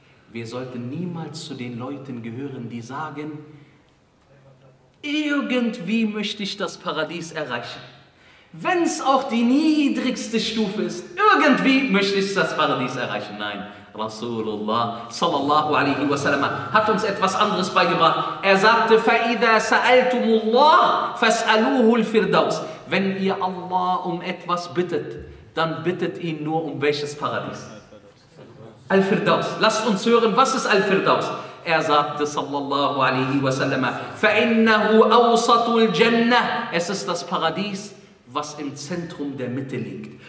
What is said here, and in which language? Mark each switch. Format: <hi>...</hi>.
<de>Wir sollten niemals zu den Leuten gehören, die sagen, irgendwie möchte ich das Paradies erreichen. Wenn es auch die niedrigste Stufe ist, irgendwie möchte ich das Paradies erreichen. Nein. Rasulullah sallallahu alaihi wa sallam hat uns etwas anderes beigebracht. Er sagte,</de> <ar>فَإِذَا سَأَلْتُمُ اللَّهِ فَاسْأَلُوهُ الْفِرْدَوْسِ.</ar> <de>Wenn ihr Allah um etwas bittet, dann bittet ihn nur um welches Paradies? Al-Firdaus. Lasst uns hören, was ist Al-Firdaus? Er sagte sallallahu alaihi wa sallam,</de> <ar>فَإِنَّهُ أَوْسَطُ الْجَنَّةِ.</ar> <de>Es ist das Paradies, was im Zentrum der Mitte liegt.</de>